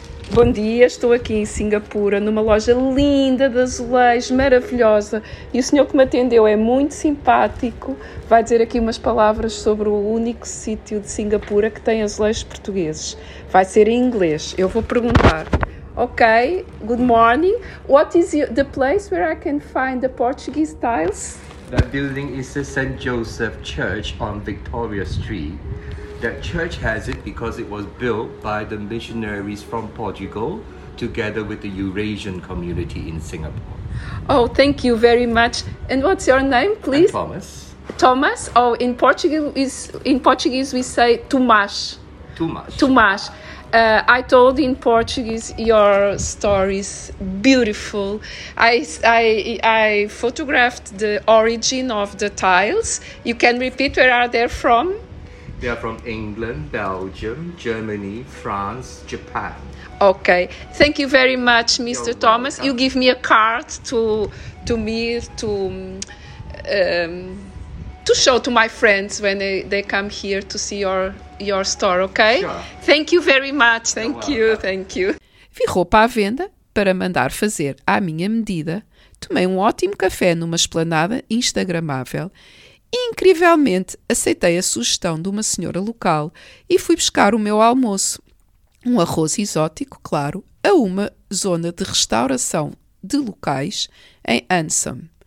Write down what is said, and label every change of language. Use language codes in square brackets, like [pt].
[pt] Bom dia, estou aqui em Singapura, numa loja linda de azulejos, maravilhosa. E o senhor que me atendeu é muito simpático. Vai dizer aqui umas palavras sobre o único sítio de Singapura que tem azulejos portugueses. Vai ser em inglês. Eu vou perguntar. [en] Ok, good morning. What is the place where I can find the Portuguese tiles? The building is the St. Joseph Church on Victoria Street. That church has it because it was built by the missionaries from Portugal together with the Eurasian community in Singapore. Oh, thank you very much. And what's your name, please? I'm Thomas. Thomas? Oh, in Portuguese, we say Tomás. Tomás. Tomás. I told in Portuguese your stories, beautiful. I photographed the origin of the tiles. You can repeat where are they from? They are from England, Belgium, Germany, France, Japan. Okay. Thank you very much, Mr. You're Thomas. Welcome. You give me a card to show to my friends when they come here to see your store, okay? Sure. Thank you very much. Thank You're welcome. You. Thank you. [pt] Vi roupa à venda para mandar fazer à minha medida. Tomei um ótimo café numa esplanada instagramável. Incrivelmente, aceitei a sugestão de uma senhora local e fui buscar o meu almoço. Um arroz exótico, claro, a uma zona de restauração de locais em Ansom.